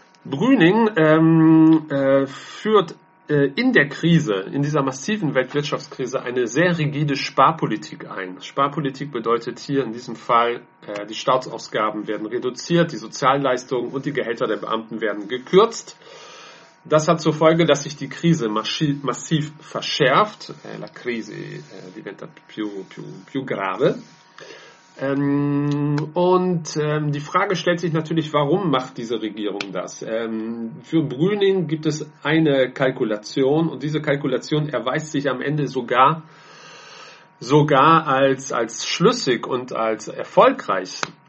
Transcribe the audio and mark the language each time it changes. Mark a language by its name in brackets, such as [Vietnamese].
[German] Grüning führt in der Krise, in dieser massiven Weltwirtschaftskrise, eine sehr rigide Sparpolitik ein. Sparpolitik bedeutet hier in diesem Fall, die Staatsausgaben werden reduziert, die Sozialleistungen und die Gehälter der Beamten werden gekürzt. Das hat zur Folge, dass sich die Krise massiv verschärft. [Italian] La crisi diventa più grave. [German] Die Frage stellt sich natürlich, warum macht diese Regierung das? Für Grüning gibt es eine Kalkulation und diese Kalkulation erweist sich am Ende sogar als schlüssig und als erfolgreich.